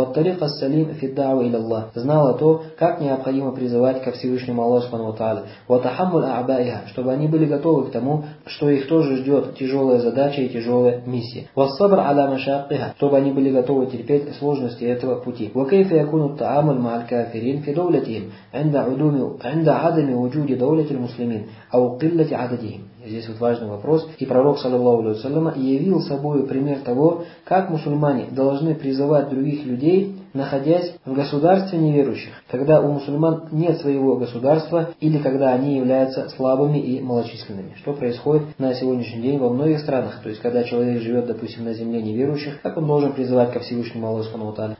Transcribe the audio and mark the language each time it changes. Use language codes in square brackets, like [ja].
[ar] والطريق السليم في الدعوة إلى الله, [ru] знала то, как необходимо призывать ко Всевышнему Аллаху Субхану ва Тааля. [ar] وتحمل أعبائها, [ru] чтобы они были готовы к тому, что их тоже ждет тяжелая задача и тяжелая миссия. [ar] والصبر على مشاقها, [ru] чтобы они были готовы терпеть сложности этого пути. [ar] وكيف يكون التعامل مع الكافرين في دولتهم عند عدم وجود دولة المسلمين أو قلة عددهم. [ru] Здесь вот важный вопрос. И пророк, саллиллаху алейхи ва саллям, явил собой пример того, как мусульмане должны призывать других людей, находясь в государстве неверующих, когда у мусульман нет своего государства или когда они являются слабыми и малочисленными. Что происходит на сегодняшний день во многих странах? То есть, когда человек живет, допустим, на земле неверующих, как он должен призывать ко Всевышнему Аллаху Субхану ва Тааля?